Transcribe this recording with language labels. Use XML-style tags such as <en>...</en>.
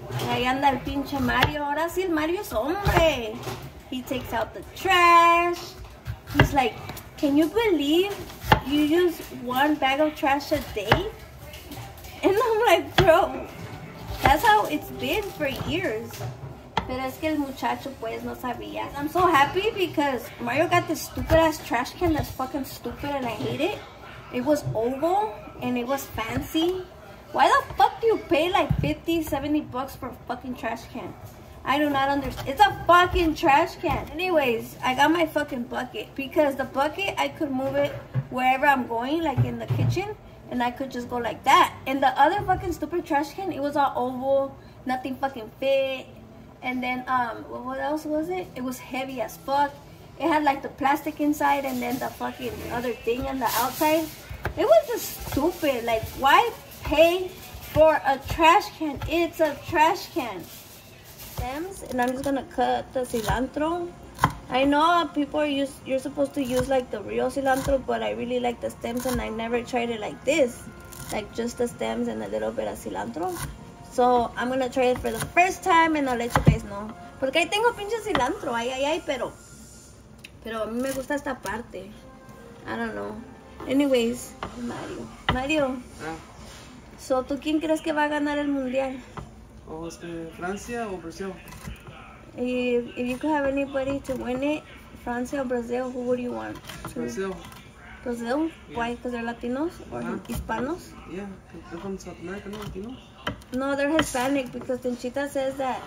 <es>Ahí anda el pinche Mario. Ahora sí, el Mario es hombre.</es> <en>He takes out the trash. He's like, can you believe you use one bag of trash a day? And I'm like, bro, that's how it's been for years.</en> <es>Pero es que el muchacho pues no sabía.</es> <en>I'm so happy because Mario got this stupid ass trash can that's fucking stupid and I hate it. It was oval and it was fancy. Why the fuck do you pay like 50, 70 bucks for a fucking trash can? I do not understand. It's a fucking trash can. Anyways, I got my fucking bucket because the bucket, I could move it wherever I'm going, like in the kitchen, and I could just go like that. And the other fucking stupid trash can, it was all oval, nothing fucking fit. And then, what else was it? It was heavy as fuck. It had like the plastic inside and then the fucking other thing on the outside. It was just stupid. Like, why pay for a trash can? It's a trash can. Stems, and I'm just gonna cut the cilantro. I know people you're supposed to use like the real cilantro, but I really like the stems and I never tried it like this. Like just the stems and a little bit of cilantro. So I'm gonna try it for the first time and I'll let you guys know.</en> <es>Porque ahí tengo pinche cilantro, ay, ay, ay, pero a mí me gusta esta parte.</es> <en>I don't know. Anyways, Mario. Yeah.</en> <es>So, ¿tú quién crees que va a ganar el mundial? Francia o Brazil.</es> <en>If you could have anybody to win it, Francia or Brazil, who would you want? Brazil. Yeah. Why? Because they're Latinos or Hispanos? Yeah, they're from South America, no Latinos. No, they're Hispanic because Tenchita says that.</en>